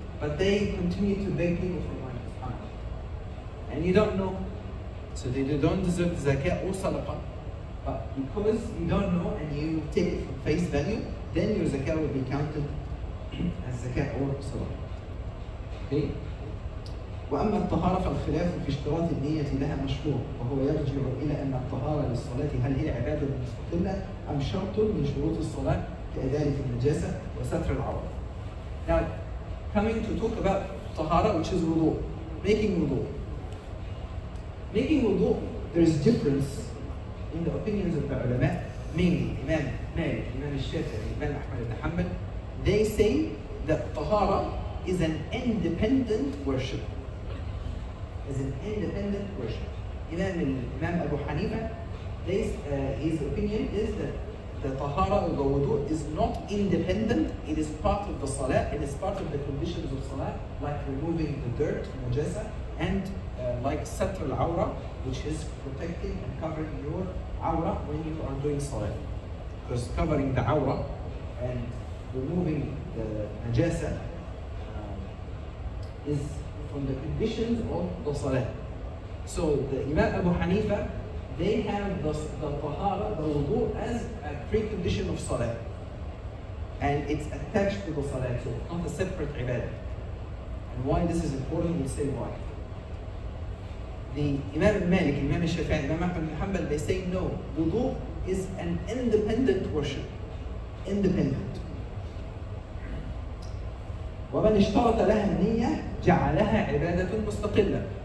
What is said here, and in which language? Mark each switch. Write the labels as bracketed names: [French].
[English] But they continue to beg people for money. And you don't know. So they don't deserve the zakat or salaqah. But because you don't know and you take it from face value, then your zakat will be counted as zakat or salaqah. Okay? [Arabic] وأما الطهارة فالخلاف في اشتراط النية لها مشروع، وهو يرجع إلى أن الطهارة للصلاة هل هي عبادة مستقلة أم شرط من شروط الصلاة كإزالة النجاسة وستر العورة. [English] Now coming to talk about طهارة which is وضوء. Making وضوء. Making وضوء there is difference in the opinions of the علماء. Mainly إمام مالك إمام الشافعي إمام أحمد بن حنبل. They say that طهارة is an independent worship. Is an independent worship. Imam Abu Hanifa, his opinion is that the tahara or the wudu is not independent. It is part of the salah. It is part of the conditions of salah, like removing the dirt, mujasa, and like satr al awra, which is protecting and covering your awra when you are doing salah. Because covering the awra and removing the najasa is from the conditions of the salah. So the Imam Abu Hanifa, they have the tahara, the wudu, as a precondition of salah. And it's attached to the salah, so it's not a separate ibadah. And why this is important, we'll say why. The Imam Malik, Imam Shafi'i, Imam Ahmad bin Hanbal, they say no, wudu is an independent worship. Independent. [Arabic] ومن اشترط لها النية جعلها عبادة مستقلة.